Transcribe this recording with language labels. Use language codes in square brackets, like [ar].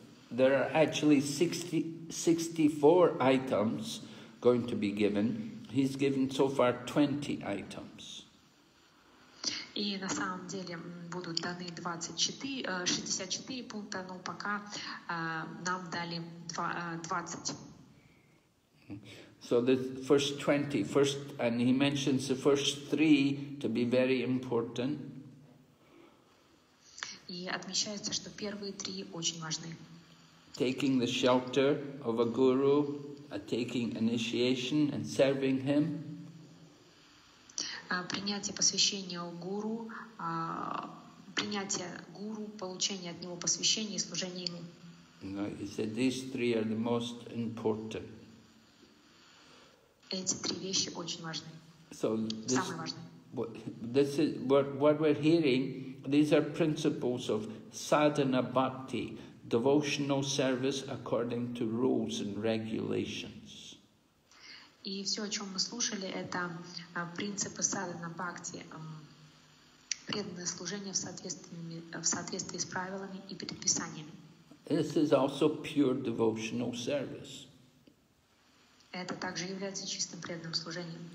[en] There are actually 64 items going to be given. He's given so far 20 items. [ru] И на самом деле будут даны 64 пункта, но пока нам дали 20. [en] So the first 20, first, and he mentions the first three to be very important. [ru] И отмечается, что первые три очень важны. [en] Taking the shelter of a guru, taking initiation and serving him. [ru] Принятие посвящения у гуру, принятие гуру, получение от него посвящения и служение ему. [en] No, he said these three are the most important. [ru] Эти три вещи очень важны. So самые важные. [en] What we're hearing These are principles of sadhana bhakti, devotional service according to rules and regulations. [ru] И все, о чем мы слушали, это принципы садхана бхакти, преданное служение в соответствии с правилами и предписаниями. [en] This is also pure devotional service. [ru] Это также является чистым преданным служением.